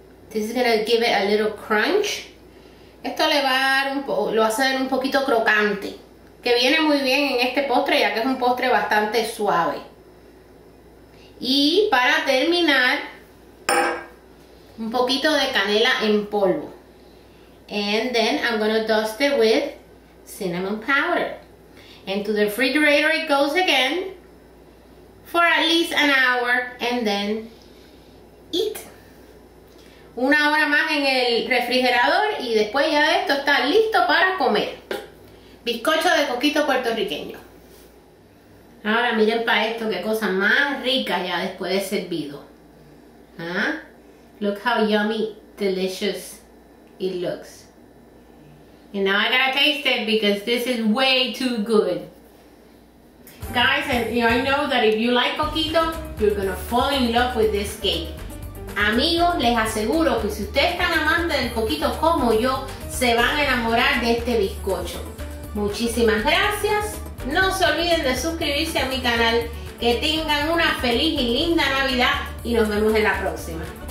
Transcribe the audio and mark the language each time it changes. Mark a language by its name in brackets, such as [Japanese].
[English] This is gonna give it a little crunch. [Spanish] Esto le va a dar un poco, lo va a hacer un poquito crocante, que viene muy bien en este postre, ya que es un postre bastante suave. Y para terminar, un poquito de canela en polvo. [English] And then I'm gonna dust it with cinnamon powder. And to the refrigerator it goes again for at least an hour and then eat. [Spanish] Una hora más en el refrigerador y después ya de esto está listo para comer. Bizcocho de coquito puertorriqueño. Ahora miren para esto, qué cosa más rica ya después de servido. [English] ¿Ah? Look how yummy, delicious it looks. And now I gotta taste it because this is way too good. Guys, and you know, I know that if you like coquito, you're gonna fall in love with this cake. [Spanish] Amigos, les aseguro que si ustedes están amando el coquito como yo, se van a enamorar de este bizcocho. Muchísimas gracias. No se olviden de suscribirse a mi canal. Que tengan una feliz y linda Navidad y nos vemos en la próxima.